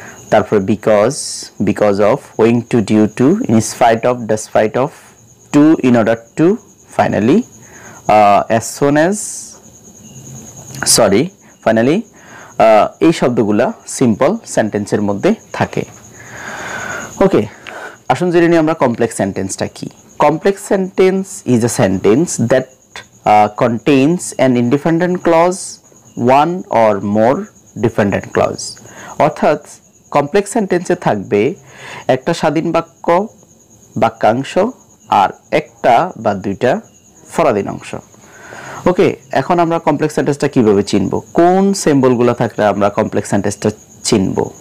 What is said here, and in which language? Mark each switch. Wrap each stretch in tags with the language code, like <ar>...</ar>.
<en>তারপরে because, because of, owing to, due to, in spite of, despite of, to, in order to, finally as soon as, sorry, finally,</en> <bn>এই শব্দগুলো simple সেন্টেন্সের মধ্যে থাকে। ওকে, আসুন জেনে নিই আমরা কমপ্লেক্স সেন্টেন্সটা কি।</bn> <en>Complex sentence is a sentence that contains an independent clause, one or more dependent clause.</en> <bn>অর্থাৎ complex sentence থাকবে একটা স্বাধীন বাক্য, বাক্যাংশ আর একটা বা দুইটা পরাধীন অংশ। ওকে, এখন আমরা কমপ্লেক্স সেন্টেন্সটা কীভাবে চিনব, কোন সিম্বলগুলো থাকলে আমরা কমপ্লেক্স সেন্টেন্সটা চিনব?</bn>